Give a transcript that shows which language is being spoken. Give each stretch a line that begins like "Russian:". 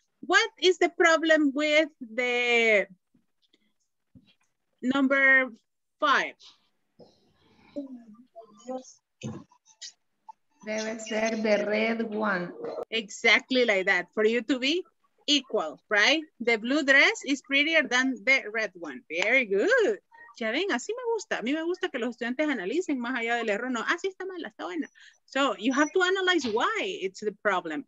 English: What is the problem with the number five?
Spanish: Debe ser
English: the red one. Exactly like that, for you to be equal, right? The blue dress is prettier than the red one. Very good.
Spanish: Ya ven, así me gusta. A mí me gusta que los estudiantes analicen más allá del error. No, así está mala, está buena.
English: So you have to analyze why it's the problem.